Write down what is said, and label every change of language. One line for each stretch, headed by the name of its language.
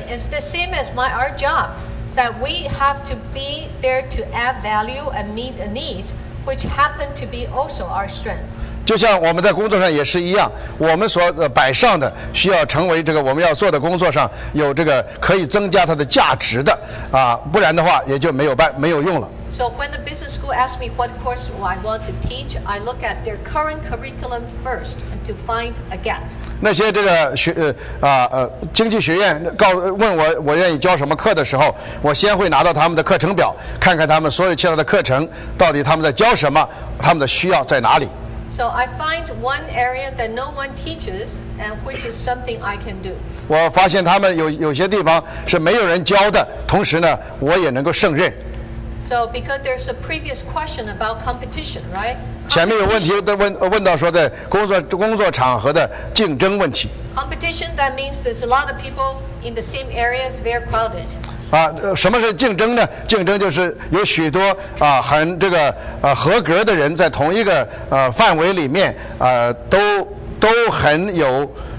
English: It's the same as my art job that we have to be there to add value and meet a need. Which happen to be also our strength.
Chinese: 就像我们在工作上也是一样，我们所摆上的需要成为这个我们要做的工作上有这个可以增加它的价值的啊，不然的话也就没有用了。
English: So when the business school asks me what course I want to teach, I look at their current curriculum first to find a gap.
Chinese: 那些这个经济学院问我愿意教什么课的时候，我先会拿到他们的课程表，看看他们所有其他的课程到底他们在教什么，他们的需要在哪里。
English: So I find one area that no one teaches, and which is something I can do.
Chinese: 我发现他们有些地方是没有人教的，同时呢，我也能够胜任。
English: So because there's a previous question about competition, right?
Chinese: 前面有问题都问到说在工作场合的竞争问题。
English: Competition, that means there's a lot of people in the same areas, very crowded.
Chinese: 啊，什么是竞争呢？竞争就是有许多很这个合格的人在同一个范围里面都很有。